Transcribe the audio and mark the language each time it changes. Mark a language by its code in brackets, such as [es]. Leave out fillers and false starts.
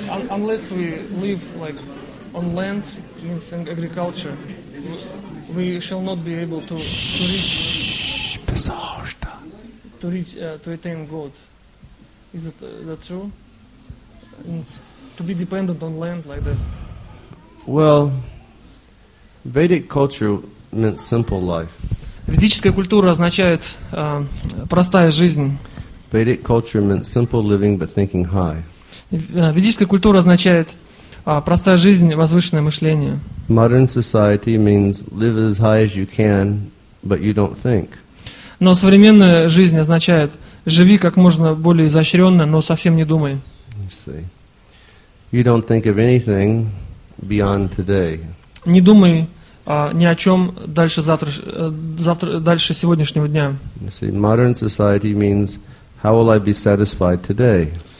[en] Unless we live, like, on land, means agriculture, we shall not be able to reach... Shhh, pesajta. To reach, to attain God. Is that, that true? And to be dependent on land like that? Well... Vedic culture meant simple life. [ru] Ведическая культура означает простая жизнь. [en] Vedic culture meant simple living, but thinking high. [ru] Ведическая культура означает простая жизнь, возвышенное мышление. [en] Modern society means live as high as you can, but you don't think. [ru] Но современная жизнь означает живи как можно более изощренно, но совсем не думай. [en] You see. You don't think of anything beyond today. [ru] Не думай ни о чем дальше дальше сегодняшнего дня. [en] See, modern society means how will I be satisfied today?